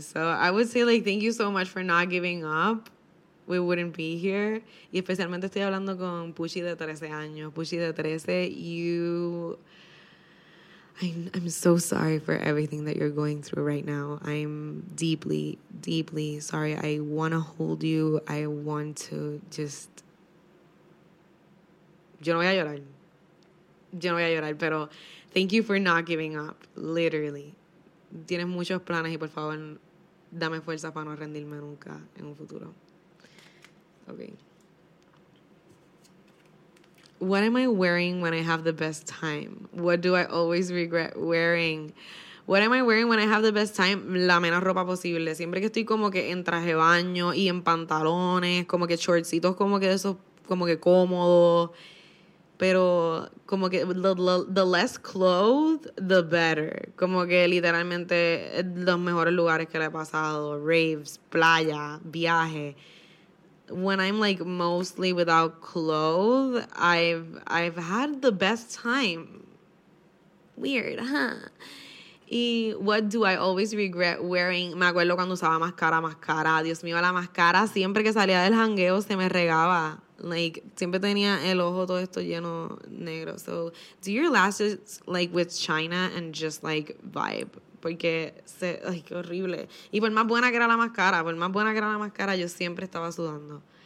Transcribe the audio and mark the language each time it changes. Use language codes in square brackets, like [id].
[en] So I would say, like, thank you so much for not giving up. We wouldn't be here. [es] Y especialmente estoy hablando con Pushy de 13 años. [en] Pushy de 13, you... I'm so sorry for everything that you're going through right now. I'm deeply, deeply sorry. I want to hold you. I want to just... [es] Yo no voy a llorar. Yo no voy a llorar, pero [en] thank you for not giving up, literally. [es] Tienes muchos planes y por favor, dame fuerza para no rendirme nunca en un futuro. [en] Okay. What am I wearing when I have the best time? What do I always regret wearing? What am I wearing when I have the best time? [es] La menos ropa posible. Siempre que estoy como que en traje de baño y en pantalones, como que shortsitos, como que eso, como que cómodo. Pero como que [en] the less clothed, the better. [es] Como que literalmente los mejores lugares que le he pasado. Raves, playa, viaje. [en] When I'm, like, mostly without clothes, I've had the best time. Weird, huh? [es] Y [en] what do I always regret wearing? [es] Me acuerdo cuando usaba máscara. Dios mío, la máscara siempre que salía del jangueo se me regaba. Like, siempre tenía el ojo todo esto lleno negro. [en] So, do your lashes, like, with China and just, like, vibe. [es] Porque, ay, qué horrible. Y por más buena que era la máscara, yo siempre estaba sudando.